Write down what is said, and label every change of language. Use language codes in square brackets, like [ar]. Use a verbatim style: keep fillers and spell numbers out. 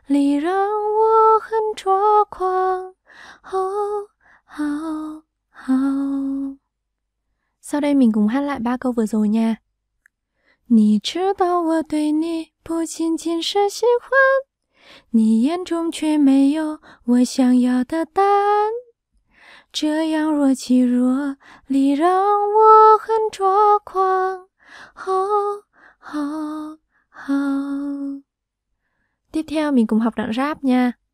[zh] 这样若即若离让我很抓狂这样若即若离让我很抓狂. Oh, oh, oh. [vi] Sau đây mình cùng hát lại ba câu vừa rồi nha. [zh] 你知道我对你不仅仅是喜欢，你眼中却没有我想要的答案。这样若即若离让我很抓狂。 Oh, oh, oh. [vi] Tiếp theo mình cùng học đoạn rap nha.